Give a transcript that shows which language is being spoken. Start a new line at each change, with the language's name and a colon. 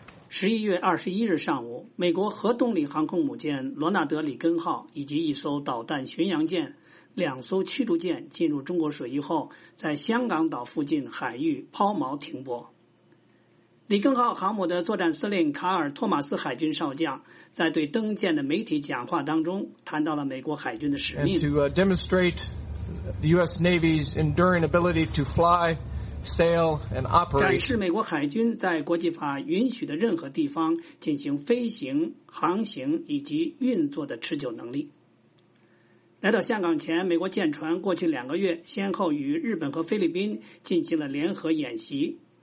Chinese: 11月21日上午，美国核动力航空母舰罗纳德·里根号以及一艘导弹巡洋舰、两艘驱逐舰进入中国水域后，在香港岛附近海域抛锚停泊。里根号航母的作战司令卡尔·托马斯海军少将在对登舰的媒体讲话当中谈到了美国海军的使命。
English: To demonstrate the U.S. Navy's enduring ability to fly, sail, and operate.
Chinese: 展示美国海军在国际法允许的任何地方进行飞行、航行以及运作的持久能力。来到香港前，美国舰船过去两个月先后与日本和菲律宾进行了联合演习。